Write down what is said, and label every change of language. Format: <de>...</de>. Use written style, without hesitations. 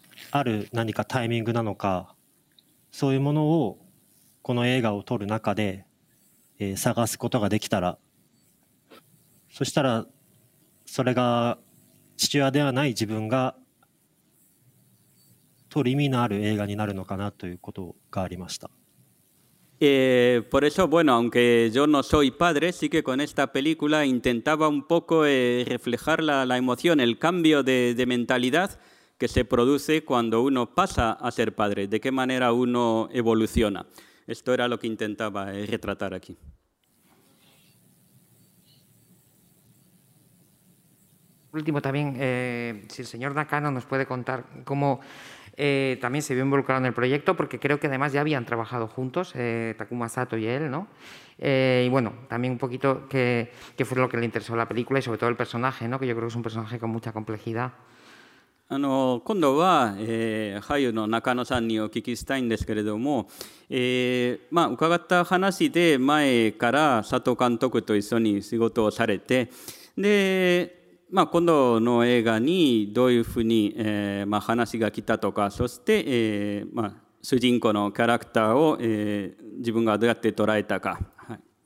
<ja>ある何かタイミングなのか、そういうものをこの映画を撮る中で、探すことができたら、そしたらそれが父親ではない自分が撮る意味のある映画になるのかなということがありました。</ja> <es>Por eso, bueno, aunque yo no soy padre, sí que con esta película intentaba un poco reflejar la emoción, el cambio de mentalidad que se produce cuando uno pasa a ser padre, de qué manera uno evoluciona. Esto era lo que intentaba retratar aquí. Por último, también, si el señor Nakano nos puede contar cómo... también se vio involucrado en el proyecto, porque creo que además ya habían trabajado juntos, Takuma Sato y él, ¿no? Y bueno, también un poquito qué fue lo que le interesó la película y sobre todo el personaje, ¿no?, que yo creo que es un personaje con mucha complejidad.</es> <ja>今度は、俳優の中野さんにお聞きしたいんですけれども、伺った話で前から佐藤監督と一緒に仕事をされて、で今度の映画にどういうふうに、話が来たとか、そして、主人公のキャラクターを、自分がどうやって捉えたか、はい、</ja>